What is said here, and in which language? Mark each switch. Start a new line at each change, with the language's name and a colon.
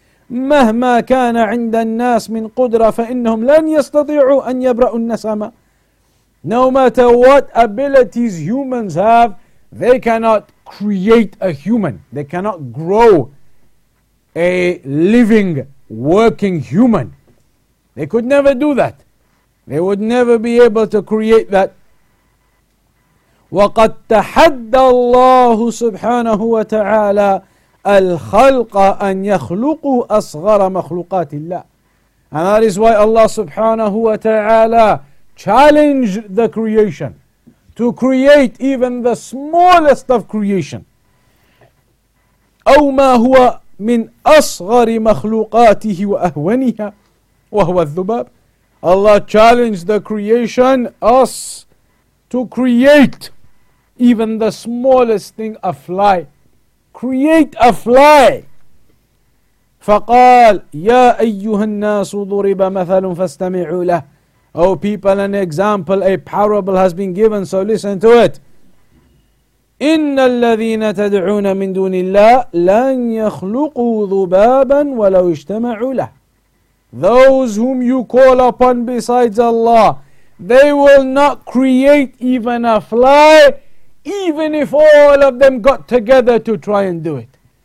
Arabic: مهما كان عند الناس من قدرة فإنهم لن يستطيعوا أن يبرأوا النسمة.
English: No matter what abilities humans have, they cannot create a human. They cannot grow a living, working human. They could never do that. They would never be able to create that.
Arabic: وَقَدْ تَحَدَّ اللَّهُ سُبْحَانَهُ وَتَعَالَى الْخَلْقَ أَنْ يَخْلُقُوا أَصْغَرَ مَخْلُقَاتِ اللَّهِ
English: And that is why Allah subhanahu wa ta'ala challenge the creation to create even the smallest of creation.
Arabic: أو ما هو من أصغر مخلوقاته وأهونها وهو الذباب.
English: Allah challenged the creation, us, to create even the smallest thing, a fly. Create a fly.
Arabic: فقال يا أيها الناس ضرب مثل فاستمعوا له.
English: Oh people, an example, a parable has been given, so listen to it.
Arabic: إِنَّ الَّذِينَ تَدْعُونَ مِن دُونِ اللَّهِ لَن يَخْلُقُوا ذُبَابًا وَلَوْ اجْتَمَعُوا لَهِ
English: Those whom you call upon besides Allah, they will not create even a fly, even if all of them got together to try and do it.